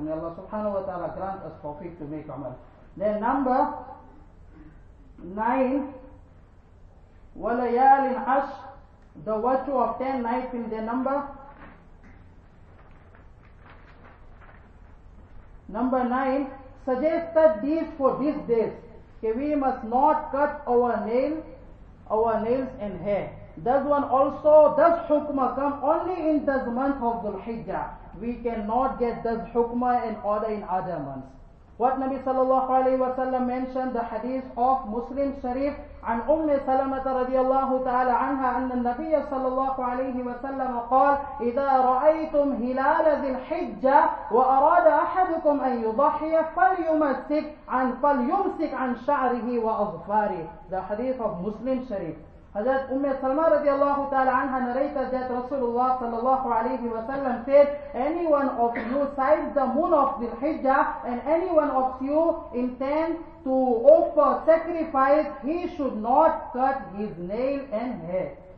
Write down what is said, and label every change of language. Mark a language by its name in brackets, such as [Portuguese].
[English] May Allah subhanahu wa ta'ala grant us tawfiq to make amal. Then number 9, walayal in ash, the virtue of 10 nights in the number 9, suggested these for these days. Okay, we must not cut our nails and hair. This one also, this hukma come only in this month of Dhul Hijjah. We cannot get this hukma in order in other months. What Nabi sallallahu alayhi wa sallam mentioned, the hadith of Muslim Sharif, [Arabic] عن أم سلمة رضي الله تعالى عنها أن النبي صلى الله عليه وسلم قال إذا رأيتم هلال ذي الحجة وأراد أحدكم أن يضحي فليمسك عن شعره وأظفاره. [English] The hadith of Muslim Sharif. Hazrat Umm Salma radiallahu ta'ala anha narrated that Rasulullah sallallahu alayhi wa sallam said, any one of you sides the moon of the Hijjah, and any one of you intend to offer sacrifice, he should not cut his nail and hair.